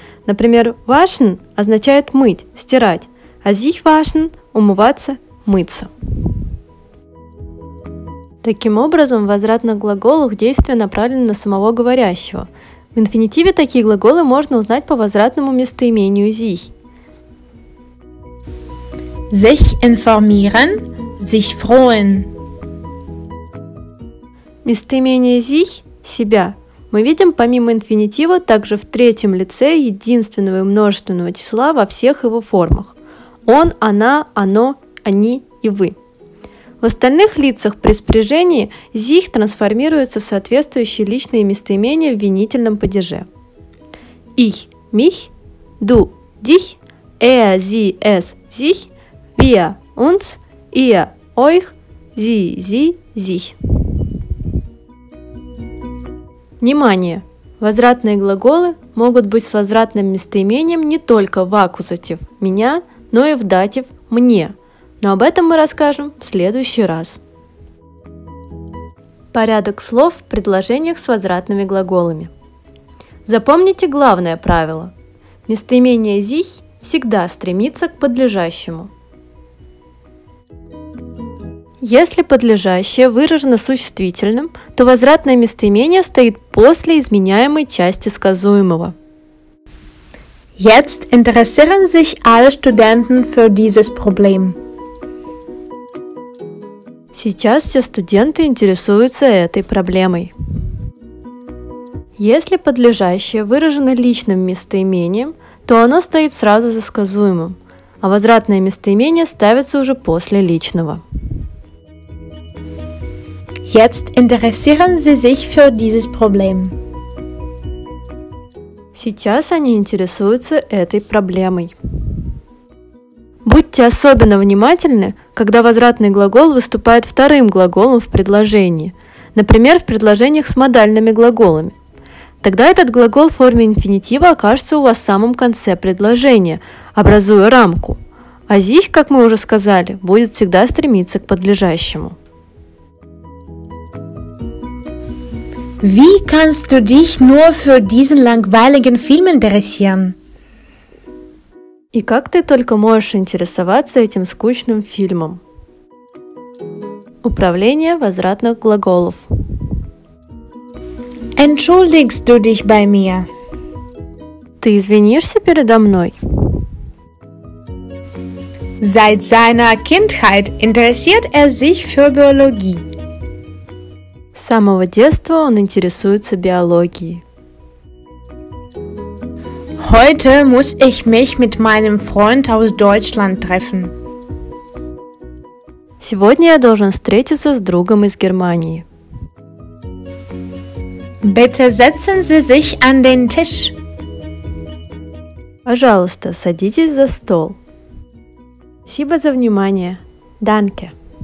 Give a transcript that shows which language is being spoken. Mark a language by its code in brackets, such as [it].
[ru] Например, waschen означает мыть, стирать, а sich waschen – умываться, мыться. Таким образом, в возвратных глаголах действие направлено на самого говорящего. В инфинитиве такие глаголы можно узнать по возвратному местоимению sich. [de] Sich informieren – sich freuen. [ru] Местоимение sich – себя. Мы видим помимо инфинитива также в третьем лице единственного и множественного числа во всех его формах. Он, она, оно, они и вы. В остальных лицах при спряжении sich трансформируется в соответствующие личные местоимения в винительном падеже. [de] Ich – mich, du – dich, er, sie, es – sich, wir – uns, ihr – euch, sie, sie – sich. [ru] Внимание! Возвратные глаголы могут быть с возвратным местоимением не только в аккузатив «меня», но и в датив «мне». Но об этом мы расскажем в следующий раз. Порядок слов в предложениях с возвратными глаголами. Запомните главное правило. Местоимение «sich» всегда стремится к подлежащему. Если подлежащее выражено существительным, то возвратное местоимение стоит после изменяемой части сказуемого. [de] Jetzt interessieren sich alle Studenten für dieses Problem. [ru] Сейчас все студенты интересуются этой проблемой. Если подлежащее выражено личным местоимением, то оно стоит сразу за сказуемым, а возвратное местоимение ставится уже после личного. [de] Jetzt interessieren Sie sich für dieses Problem. [ru] Сейчас они интересуются этой проблемой. Будьте особенно внимательны, когда возвратный глагол выступает вторым глаголом в предложении, например, в предложениях с модальными глаголами. Тогда этот глагол в форме инфинитива окажется у вас в самом конце предложения, образуя рамку, а sich, как мы уже сказали, будет всегда стремиться к подлежащему. [de] Wie kannst du dich nur für diesen langweiligen Film interessieren? [ru] И как ты только можешь интересоваться этим скучным фильмом? Управление возвратных глаголов. [de] Entschuldigst du dich bei mir? [ru] Ты извинишься передо мной? [de] Seit seiner Kindheit interessiert sich für Biologie. [ru] С самого детства он интересуется биологией. [de] Heute muss ich mich mit meinem Freund aus Deutschland treffen. [ru] Сегодня я должен встретиться с другом из Германии. [de] Bitte setzen Sie sich an den Tisch. [ru] Пожалуйста, садитесь за стол. Спасибо за внимание. [de] Danke.